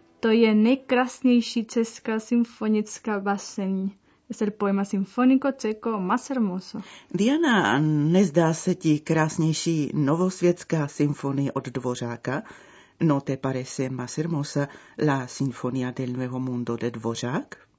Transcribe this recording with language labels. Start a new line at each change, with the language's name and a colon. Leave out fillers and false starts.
Czech: To je nejkrásnější česká symfonická báseň.
Spanish: Es el poema sinfónico checo más hermoso.
Czech: Diana, nezdá se ti krásnější novosvětská symfonie od Dvořáka?
Spanish: No te parece más hermosa la sinfonía del nuevo mundo de Dvořák?